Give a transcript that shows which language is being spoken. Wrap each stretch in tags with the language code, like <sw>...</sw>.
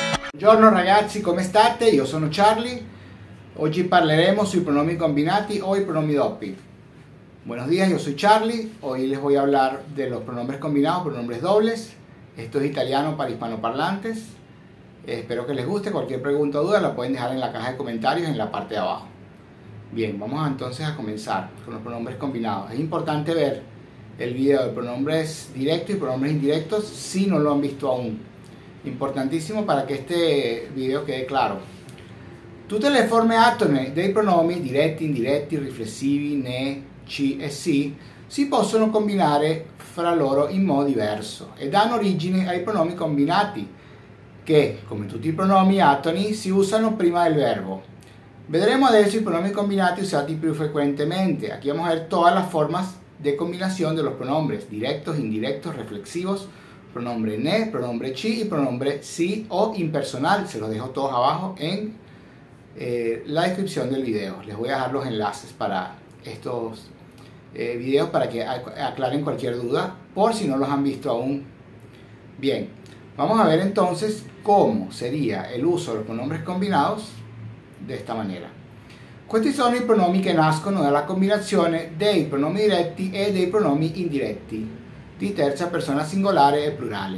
<it>Buongiorno ragazzi, come state? Io sono Charlie. Oggi parleremo sui pronomi combinati o i pronomi doppi.</it> <es>Buenos días, yo soy Charlie. Hoy les voy a hablar de los pronombres combinados, pronombres dobles. Esto es italiano para hispanoparlantes. Espero que les guste. Cualquier pregunta o duda la pueden dejar en la caja de comentarios en la parte de abajo. Bien, vamos entonces a comenzar con los pronombres combinados. Es importante ver el video de pronombres directos y pronombres indirectos si no lo han visto aún.</es> <it>Importantissimo</it> <es>para</es> <it>che questo video</it> <es>quede claro.</es> <it>Tutte le forme atone dei pronomi diretti, indiretti, riflessivi, ne, ci e si si possono combinare fra loro in modo diverso e danno origine ai pronomi combinati che, come tutti i pronomi atoni, si usano prima del verbo. Vedremo adesso i pronomi combinati usati più frequentemente.</it> <es>Aquí vamos a ver todas las formas de combinación de los pronombres directos, indirectos, reflexivos, pronombre ne, pronombre ci y pronombre si o impersonal. Se los dejo todos abajo en la descripción del video. Les voy a dejar los enlaces para estos videos para que aclaren cualquier duda por si no los han visto aún. Bien, vamos a ver entonces cómo sería el uso de los pronombres combinados de esta manera.</es> <it>Questi sono i pronomi che nascono dalla combinazione dei pronomi diretti e dei pronomi indiretti di terza persona singolare e plurale.</it>